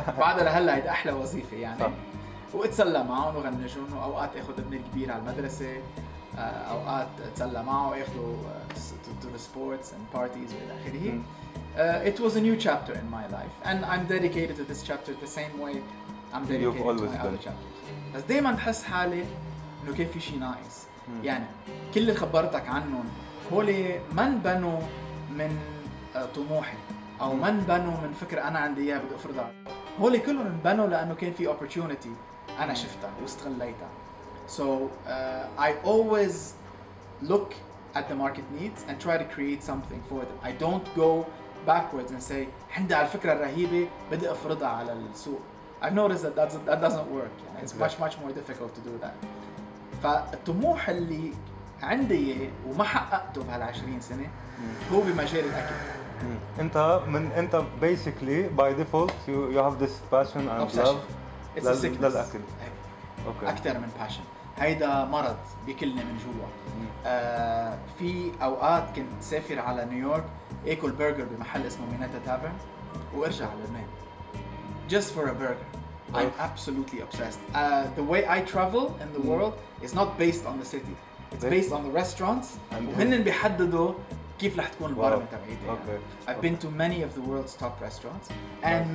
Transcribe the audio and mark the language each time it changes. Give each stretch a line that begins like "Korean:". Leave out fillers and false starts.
Arabic: بعد لهلا هيدي أحلى وظيفة يعني. صح. واتسلى معه وغنجون وأوقات آخذ ابني الكبير على المدرسة، أوقات اتسلى معه وآخذه
English: to the sports and parties
Arabic: وإلى آخره.
English: It was a new chapter in my life and I'm dedicated to this chapter the same way I'm dedicated You've always to my been. Other chapters.
Arabic: بس دايما بحس حالي إنه كيف في شيء ناقص. يعني كل اللي خبرتك عنهم هولي من بنوا من طموحي او من بنوا من فكره انا عندي اياها بدي افرضها هولي كلهم انبنوا لانه كان في opportunity انا شفتها واستغليتها.
English: So I always look at the market needs and try to create something for them. I don't go backwards and say
Arabic: عندي الفكره الرهيبه بدي افرضها على السوق.
English: I've noticed that that doesn't work. Yeah, it's much much more difficult to do that.
Arabic: فالطموح اللي عندي وما حققته بهالعشرين سنة هو بمجال الأكل.
English: أنت basically by default you have this passion and obsession. love للأكل. Okay.
Arabic: أكثر من passion. هيدا مرض بكلنا من جوا. في أوقات كنت سافر على نيويورك أكل برجر بمحل اسمه ميناتا تافرن وأرجع على لبنان.
English: Just for a burger. I'm absolutely obsessed. The way I travel in the world is not based on the city. It's based on the restaurants.
Arabic: وهنن بيحددوا كيف رح تكون البارة تبعيتي.
English: Okay. I've okay. been to many of the world's top restaurants and yes.